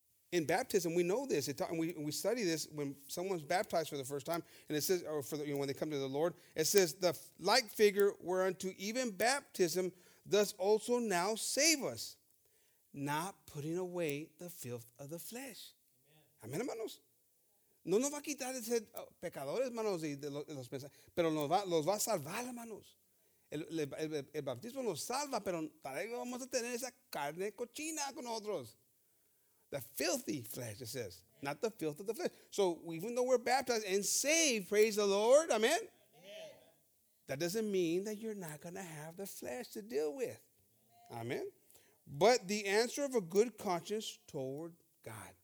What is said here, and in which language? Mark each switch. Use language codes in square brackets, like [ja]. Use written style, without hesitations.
[en] In baptism, we know this, and we study this when someone's baptized for the first time, and it says, when they come to the Lord, it says, the like figure whereunto even baptism does also now save us, not putting away the filth of the flesh. [es] Amen, hermanos. No nos va a quitar de ser pecadores, hermanos, de los pensamientos, pero los va a salvar, hermanos. El bautismo nos salva, pero todavía vamos a tener esa carne cochina con nosotros. [en] The filthy flesh, it says, not the filth of the flesh. So even though we're baptized and saved, praise the Lord, amen? Amen. That doesn't mean that you're not going to have the flesh to deal with. Amen. Amen. But the answer of a good conscience toward God.